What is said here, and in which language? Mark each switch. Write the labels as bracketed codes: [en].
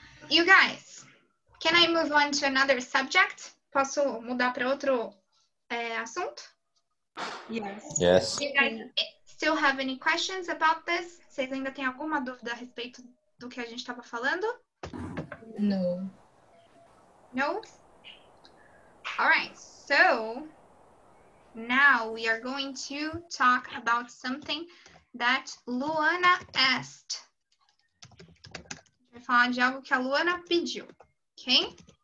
[en] You guys, can I move on to another subject? [pt] Posso mudar para outro assunto? [en] Yes. Yes. You guys still have any questions about this? [pt] Vocês ainda têm alguma dúvida a respeito do que a gente estava falando? [en] No. No? All right. So, now we are going to talk about something that Luana asked. [pt] A gente vai falar de algo que a Luana pediu, ok?